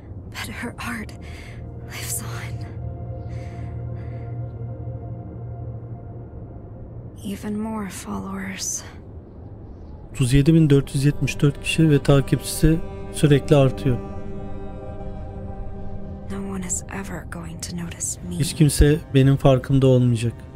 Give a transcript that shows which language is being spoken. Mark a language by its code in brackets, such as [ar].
[en] But her art lives on. Even more followers. [tr] 37.474 kişi ve takipçisi sürekli artıyor. [en] No one is ever going to notice me. [tr] Hiç kimse benim farkımda olmayacak.